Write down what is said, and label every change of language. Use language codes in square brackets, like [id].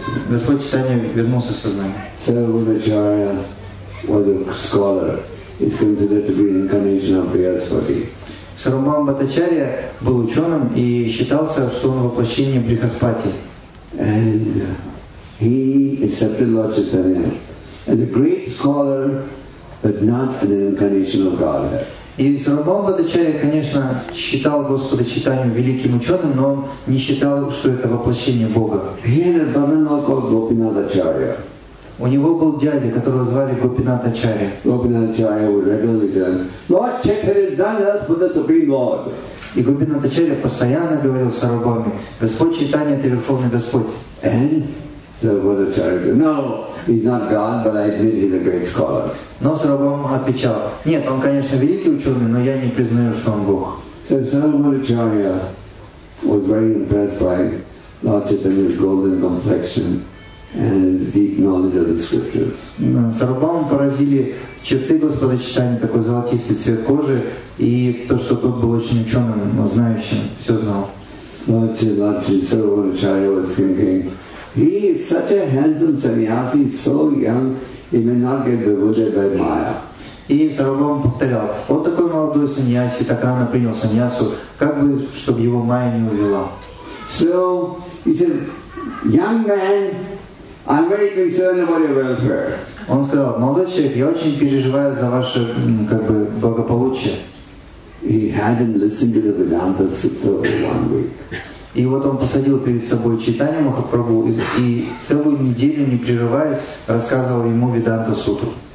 [ru] Господь Чайтанья вернулся в сознание. [en] Sarvabhauma Bhattacharya was a scholar. He's considered to be an incarnation of Brihaspati. [ru] Сарвабхама Бхаттачарья был ученым и считался, что он воплощение Брихаспати. [en] And he accepted Lord Chaitanya as a great scholar. But not for the incarnation of Godhead. [ru] И Сарвабхама Бхаттачарья, конечно, считал Господа Чайтанью великим ученым, но он не считал, что это воплощение Бога. [en] He had a brother-in-law called Gopinatha Acharya. [ru] У него был дядя, которого звали Гопинатха Ачарья. [en] Gopinatha Acharya would regularly say, Lord Chaitanya done us for the Supreme Lord. [ru] И Гопинатха Ачарья постоянно говорил Сарвабхаме, Господь Чайтанья — это Верховный Господь. [en] And Sarvabhauma Bhattacharya said, no, he's not God, but I admit he's a great scholar. [ru] Но Сарвабхама отвечал, нет, он, конечно, великий ученый, но я не признаю, что он Бог. [en] So Sarvabhauma Bhattacharya was very impressed by Lord Chaitanya's golden complexion and his deep knowledge of the scriptures. [ru] Сарвабхама поразили черты Господа Чайтанья, такой золотистый цвет кожи, и то, что тот был очень ученым, но знающим, все знал. [en] Sarvabhauma Bhattacharya was thinking, he is such a handsome sannyasi, so young, he may not get bewildered by Maya. [ru] И Сарвабхама повторял, вот такой молодой саньяси, так рано принял саньясу, как бы, чтобы его Майя не увела. [en] So, he said, young man, I'm very concerned about your welfare. [ru] Он сказал, молодой человек, я очень переживаю за ваше, как бы, благополучие. [en] He had him listen to the Vedanta Sutta for one week. [ru] И вот он посадил перед собой Чайтанья Махапрабху и целую неделю, не прерываясь, рассказывал ему Веданта Сутру.